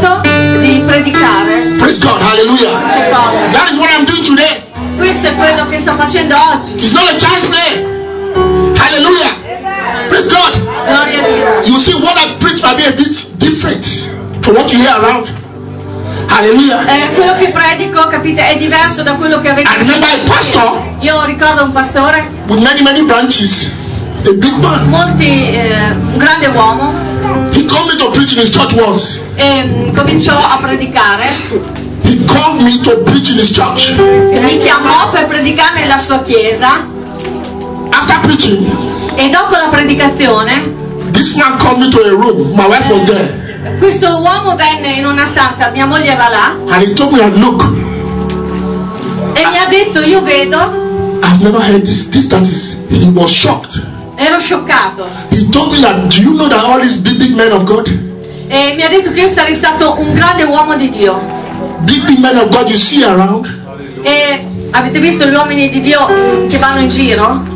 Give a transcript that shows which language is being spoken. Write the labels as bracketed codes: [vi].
[it] Mi ha detto di predicare. [en] Praise God. Hallelujah. [it] Queste cose. [en] That is what I'm doing today. [it] Questo è quello che sto facendo oggi. [en] It's not a chance play. Hallelujah. Praise God. [it] Gloria a Dio. [en] You see, what I preach might be a bit different from what you hear around. Hallelujah. [it] Quello che predico, capite, è diverso da quello che avete detto. [en] I remember a pastor. [it] Io ricordo un pastore. [en] With many, many branches. A big man. [it] Molti, un grande uomo. [en] He called me to preach in his church once. [it] E cominciò a predicare. [en] He called me to preach in his church. [it] Mi chiamò per predicare nella sua chiesa. [en] After preaching. [it] E dopo la predicazione. [en] This man called me to a room. My wife was there. [it] Questo uomo venne in una stanza, mia moglie era là. [en] And he told me, look. [it] E mi ha detto, io vedo. [en] I've never heard this that is. He was shocked. [it] Ero scioccato. [en] He told me that, do you know that all these big men of God? [it] E mi ha detto che io sarei stato un grande uomo di Dio. [en] Big men of God you see around? [it] E avete visto gli uomini di Dio che vanno in giro?